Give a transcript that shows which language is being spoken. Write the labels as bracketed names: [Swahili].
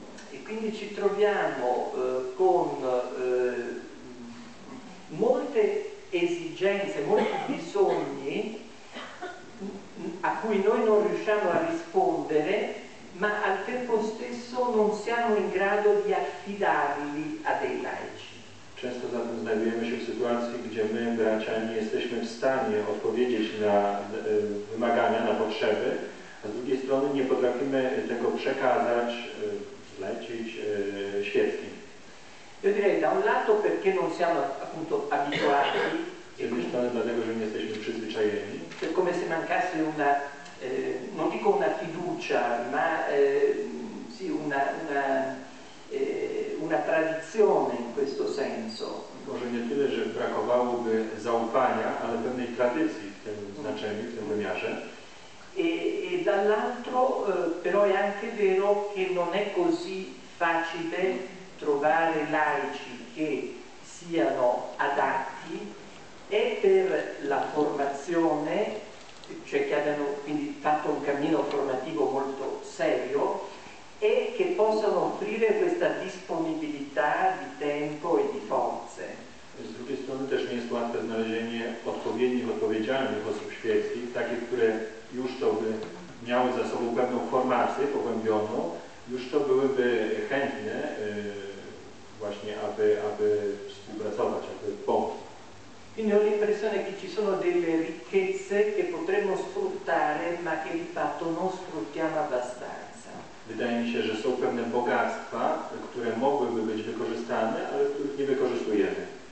[Italian] E quindi ci troviamo con molte esigenze, molti bisogni a cui noi non riusciamo a rispondere, ma al tempo stesso non siamo in grado di affidarli a dei laici. [Polish] Często zatem znajdujemy się w sytuacji, gdzie my, bracia, nie jesteśmy w stanie odpowiedzieć na wymagania, na potrzeby, a z drugiej strony nie potrafimy tego przekazać, lecić świeckim. [Italian] Io direi da un lato perché non siamo appunto abituati. [Polish] Z jednej strony dlatego, że nie jesteśmy przyzwyczajeni. [Italian] È come se mancasse una, non dico una fiducia, ma sì, una tradizione in questo senso. [Polish] Może nie tyle, że brakowałoby zaufania, ale pewnej tradycji w tym znaczeniu, w tym wymiarze. [Italian] E dall'altro però è anche vero che non è così facile trovare laici che siano adatti e per la formazione, cioè che abbiano quindi fatto un cammino formativo molto serio e che possano offrire questa disponibilità di tempo e di forze. [Polish] Z drugiej strony też nie jest łatwe znalezienie odpowiednich, odpowiedzialnych osób świeckich, takich, które już to by miały za sobą pewną formację pogłębioną, już to byłyby chętne właśnie, aby współpracować, aby pomóc. [Italian] Quindi ho l'impressione che ci sono delle ricchezze che potremmo sfruttare, ma che di fatto non sfruttiamo abbastanza. [Polish] Wydaje mi się, że są pewne bogactwa, które mogłyby być wykorzystane, ale których nie wykorzystujemy.